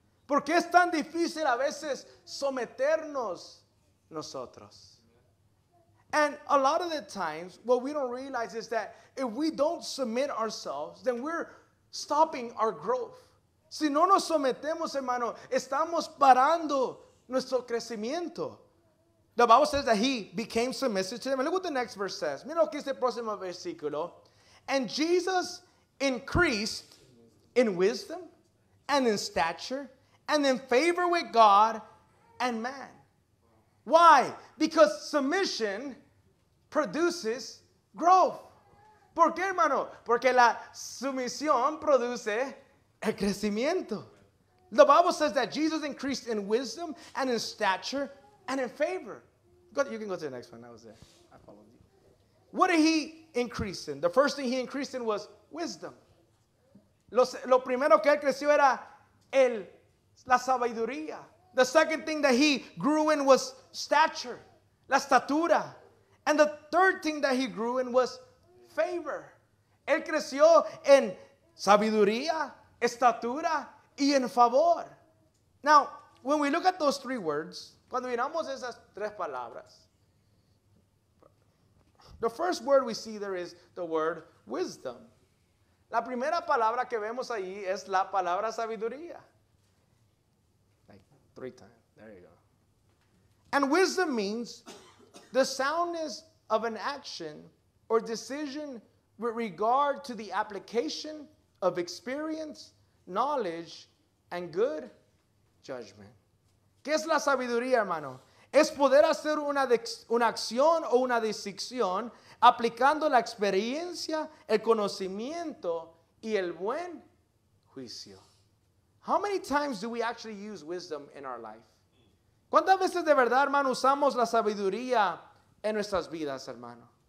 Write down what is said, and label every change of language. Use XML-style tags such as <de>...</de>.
<es>¿Por qué es tan difícil a veces someternos nosotros?</es> <en>And a lot of the times, what we don't realize is that if we don't submit ourselves, then we're stopping our growth.</en> <es>Si no nos sometemos, hermano, estamos parando nuestro crecimiento.</es> <en>The Bible says that he became submissive to them. And look what the next verse says.</en> <es>Mira lo que dice el próximo versículo.</es> <en>And Jesus increased in wisdom, and in stature and in favor with God and man. Why? Because submission produces growth.</en> <es>¿Por qué, hermano? Porque la sumisión produce el crecimiento.</es> <en>The Bible says that Jesus increased in wisdom and in stature and in favor. You can go to the next one. That was it. I followed you. What did he increase in? The first thing he increased in was wisdom.</en> <es>Lo primero que él creció era la sabiduría.</es> <en>The second thing that he grew in was stature,</en> <es>la estatura.</es> <en>And the third thing that he grew in was favor.</en> <es>Él creció en sabiduría, estatura, y en favor.</es> <en>Now, when we look at those three words,</en> <es>cuando miramos esas tres palabras,</es> <en>the first word we see there is the word wisdom.</en> <es>La primera palabra que vemos ahí es la palabra sabiduría.</es> <en>Like three times. There you go. And wisdom means the soundness of an action or decision with regard to the application of experience, knowledge, and good judgment.</en> <es>¿Qué es la sabiduría, hermano? Es poder hacer una acción o una decisión aplicando la experiencia, el conocimiento, y el buen juicio.</es> <en>How many times do we actually use wisdom in our life?</en> <es>¿Cuántas veces de verdad, hermano, usamos la sabiduría en nuestras vidas, hermano?</es>